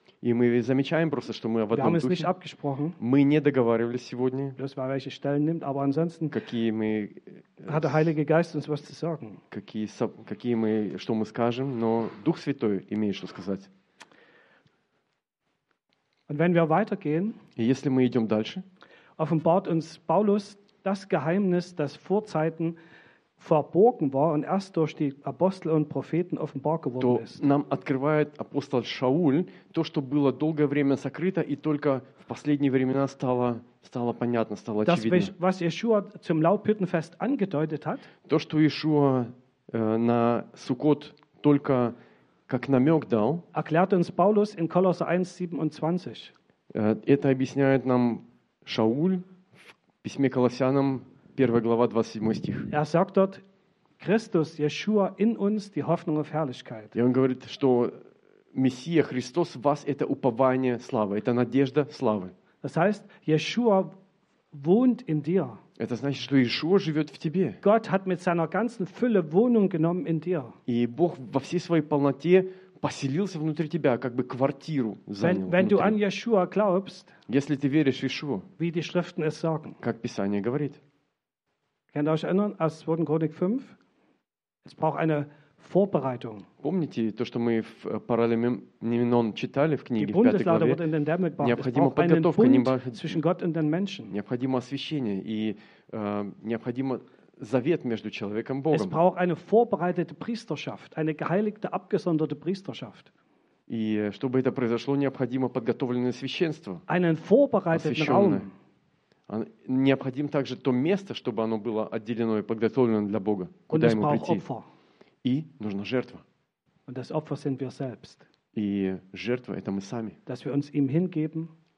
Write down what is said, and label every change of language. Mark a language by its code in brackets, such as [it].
[ru] И мы замечаем просто, что мы в одном духе. [de] Nicht abgesprochen. [ru] Мы не договаривались сегодня. [de] Bloß, weil welche Stellen nimmt, aber ansonsten. [ru] Какие мы. [de] Hat der Heilige Geist uns was zu sagen. [ru] Какие мы, что мы скажем, но Дух Святой имеет что сказать. [de] Und wenn wir weitergehen, [ru] и если мы идем дальше, [de] offenbart uns Paulus das Geheimnis, das vor Zeiten verborgen war und erst durch die Apostel und Propheten offenbar geworden ist. [ru] Нам открывает апостол Шауль то, что было долгое время сокрыто и только в последние времена стало понятно, стало очевидно. [de] Das, was Yeshua zum Laubhüttenfest angedeutet hat, [ru] то, что Иешуа на Суккот только как намек дал, [de] erklärt uns Paulus in Kolosser 1:27. [ru] Это объясняет нам Шауль в письме Колоссянам 1 глава 27 стих. [de] Er sagt dort, Christus, Yeshua in uns, die Hoffnung auf Herrlichkeit. [ru] И он говорит, что Мессия, Христос, в вас это упование славы, это надежда славы. [de] Das heißt, Yeshua wohnt in dir. [ru] Это значит, что Иешуа живет в тебе. [de] Gott hat mit seiner ganzen Fülle Wohnung genommen in dir. [ru] И Бог во всей своей полноте поселился внутри тебя, как бы квартиру занял. [de] Wenn du an Yeshua glaubst, [ru] если ты веришь в Иешуа, [de] wie die Schriften es sagen, [ru] как Писание говорит. [de] Könnt ihr euch erinnern, aus 2. Chronik 5? Es braucht eine Vorbereitung. [ru] Помните то, что мы в Паралеменон читали в книге, в 5 главе? Необходима подготовка, [de] zwischen Gott und den Menschen. [ru] Необходимо освящение и необходимо завет между человеком и Богом. [de] Es braucht eine vorbereitete Priesterschaft, eine geheiligte, abgesonderte Priesterschaft. [ru] И чтобы это произошло, необходимо подготовленное священство. [de] Einen vorbereiteten Raum. [ru] Необходим также то место, чтобы оно было отделено и подготовлено для Бога, куда ему прийти. [de] Opfer. [ru] И нужна жертва. [de] Und das Opfer sind wir selbst. [ru] И жертва это мы сами. [de] Dass wir uns ihm hingeben.